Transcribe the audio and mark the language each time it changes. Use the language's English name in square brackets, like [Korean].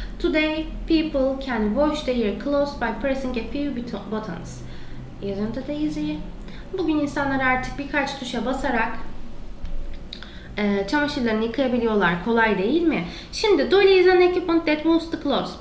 [English] Today people can wash their clothes by pressing a few buttons. Isn't it easy? [Turkish] Bugün insanlar artık birkaç tuşa basarak çamaşırlarını yıkayabiliyorlar. Kolay değil mi? Şimdi [English] dolly is an equipment that moves the clothes.